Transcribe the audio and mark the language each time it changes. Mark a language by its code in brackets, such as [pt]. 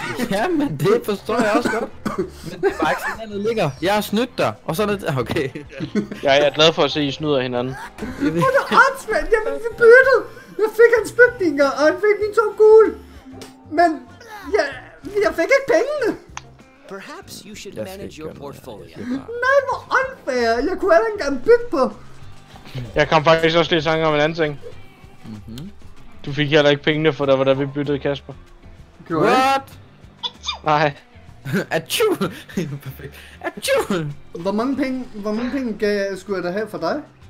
[da] Jamen, det forstår jeg også godt. Men det er bare ikke sådan, at det ligger. Jeg har snydt dig, og sådan er det... Okay. Jeg er glad for at se, at I snyder hinanden. Hvor er det hans, mand? Jamen, vi byttede! Jeg fik hans bygninger, og han fik mine to gule. Men... Jeg fik ikke pengene. [en] Perhaps you should manage your portfolio. [da] Nej, hvor unfair! Jeg kunne aldrig engang bygge på. Jeg kom faktisk også lidt sange om en anden ting. Mm-hmm. Du fik heller ikke pengene for dig, hvordan vi byttede, Kasper. [en] What? [da] Nej. Achoo! Achoo! Hvor mange penge skulle jeg da have for dig?